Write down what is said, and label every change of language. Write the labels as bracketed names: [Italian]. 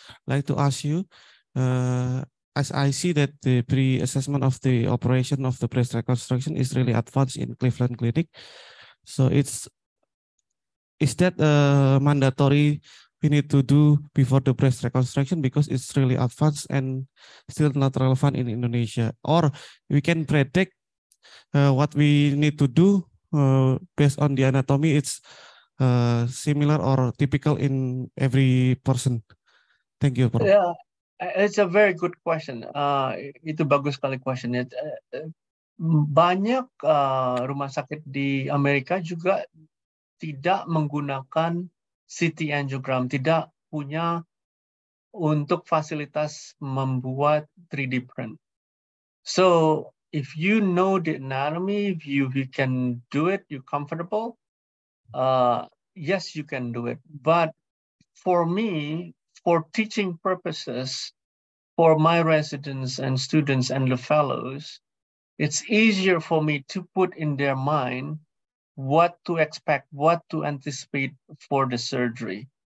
[English] I'd like to ask you, as I see that the pre-assessment of the operation of the breast reconstruction is really advanced in Cleveland Clinic, so is that mandatory we need to do before the breast reconstruction, because it's really advanced and still not relevant in Indonesia, or we can predict what we need to do based on the anatomy, it's similar or typical in every person? Thank you. Yeah, it's a very good question. [Indonesian] Itu bagus sekali questionnya. Banyak rumah sakit di Amerika juga tidak menggunakan CT angiogram, tidak punya untuk fasilitas membuat 3D print. [English] So if you know the anatomy, if you can do it, you're comfortable, yes, you can do it. But for me, for teaching purposes, for my residents and students and the fellows, it's easier for me to put in their mind what to expect, what to anticipate for the surgery.